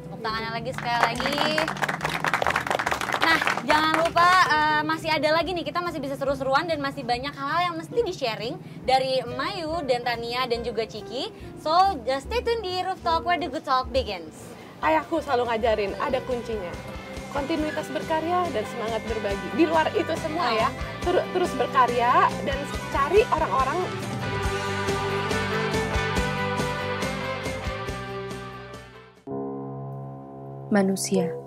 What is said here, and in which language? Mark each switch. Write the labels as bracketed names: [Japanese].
[Indonesian] Tepuk tangannya lagi sekali lagi. Nah, jangan lupa masih ada lagi nih, kita masih bisa seru-seruan dan masih banyak hal yang mesti di-sharing dari Mayu dan Tania dan juga Ciki. [English] So, stay tune di Rooftalk where the good talk begins. [Indonesian] Ayahku selalu ngajarin, ada kuncinya. Kontinuitas berkarya dan semangat berbagi. Di luar itu semua ya, terus berkarya dan cari orang-orang. Manusia.